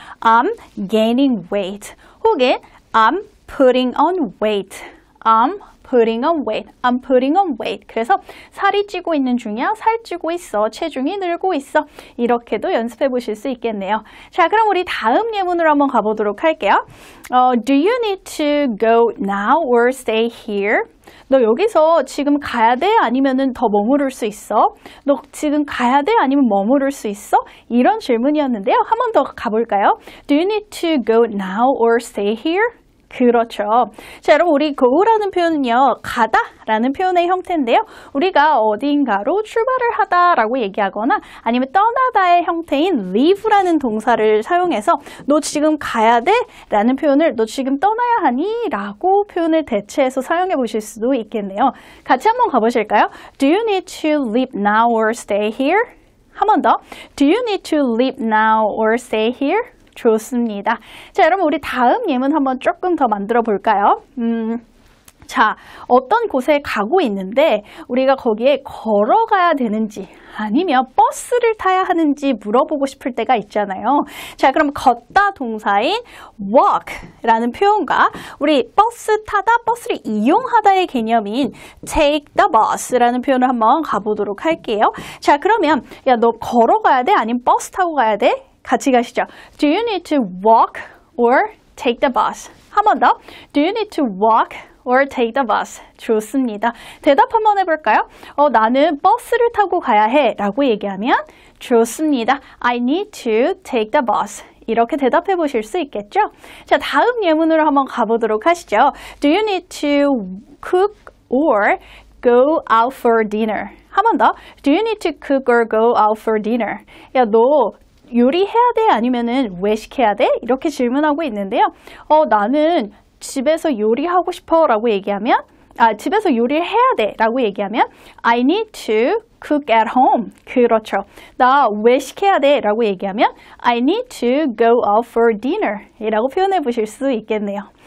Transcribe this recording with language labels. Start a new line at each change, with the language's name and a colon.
English: I'm gaining weight. 혹은 I'm putting on weight. I'm putting on weight. I'm putting on weight.
Korean: 그래서 살이 찌고 있는 중이야. 살 찌고 있어. 체중이 늘고 있어. 이렇게도 연습해 보실 수 있겠네요. 자, 그럼 우리 다음 예문으로 한번 가보도록 할게요.
English: Do you need to go now or stay here?
Korean: 너 여기서 지금 가야 돼? 아니면은 더 머무를 수 있어? 너 지금 가야 돼? 아니면 머무를 수 있어? 이런 질문이었는데요. 한 번 더 가볼까요?
English: Do you need to go now or stay here?
Korean: 그렇죠. 자, 여러분, 우리 go라는 표현은요, 가다 라는 표현의 형태인데요. 우리가 어딘가로 출발을 하다 라고 얘기하거나 아니면 떠나다의 형태인 leave라는 동사를 사용해서 너 지금 가야 돼? 라는 표현을 너 지금 떠나야 하니? 라고 표현을 대체해서 사용해 보실 수도 있겠네요. 같이 한번 가보실까요?
English: Do you need to leave now or stay here?
Korean: 한 번 더.
English: Do you need to leave now or stay here?
Korean: 좋습니다. 자, 여러분, 우리 다음 예문 한번 조금 더 만들어 볼까요? 자, 어떤 곳에 가고 있는데 우리가 거기에 걸어가야 되는지 아니면 버스를 타야 하는지 물어보고 싶을 때가 있잖아요. 자, 그럼 걷다 동사인 walk라는 표현과 우리 버스 타다, 버스를 이용하다의 개념인 take the bus라는 표현을 한번 가보도록 할게요. 자, 그러면 야, 너 걸어가야 돼? 아니면 버스 타고 가야 돼? 같이 가시죠.
English: Do you need to walk or take the bus?
Korean: 한 번 더.
English: Do you need to walk or take the bus?
Korean: 좋습니다. 대답 한번 해볼까요? 나는 버스를 타고 가야 해 라고 얘기하면 좋습니다.
English: I need to take the bus.
Korean: 이렇게 대답해 보실 수 있겠죠? 자, 다음 예문으로 한번 가보도록 하시죠.
English: Do you need to cook or go out for dinner?
Korean: 한 번 더.
English: Do you need to cook or go out for dinner?
Korean: 야, 너 요리해야 돼? 아니면은 외식해야 돼? 이렇게 질문하고 있는데요. 나는 집에서 요리하고 싶어 라고 얘기하면 집에서 요리를 해야 돼 라고 얘기하면
English: I need to cook at home.
Korean: 그렇죠. 나 외식해야 돼 라고 얘기하면
English: I need to go out for dinner
Korean: 이라고 표현해 보실 수 있겠네요.